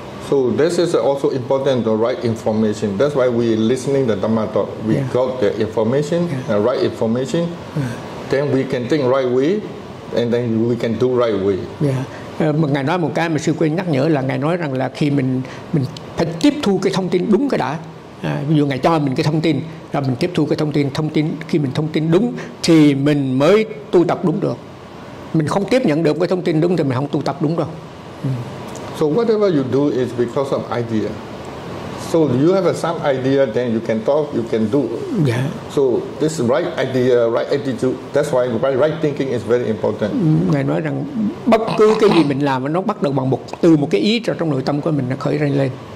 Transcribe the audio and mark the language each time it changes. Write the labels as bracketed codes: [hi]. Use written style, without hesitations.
[en] So this is also important, the right information. That's why we listening the Dhamma talk. We got the information, the right information. Yeah. Then we can think right way, and then we can do right way. Yeah. [vi] Ngài nói một cái mà sư quên nhắc nhở là ngài nói rằng là khi mình phải tiếp thu cái thông tin đúng cái đã. Ví dụ ngài cho mình cái thông tin, rồi mình tiếp thu cái thông tin khi mình thông tin đúng thì mình mới tu tập đúng được. Mình không tiếp nhận được cái thông tin đúng thì mình không tu tập đúng đâu. [en] So whatever you do is because of idea. So you have some idea, then you can talk, you can do. Yeah. So this right idea, right attitude, that's why right thinking is very important. [vi] Ngài nói rằng bất cứ cái gì mình làm nó bắt đầu bằng từ một cái ý trong nội tâm của mình nó khởi lên.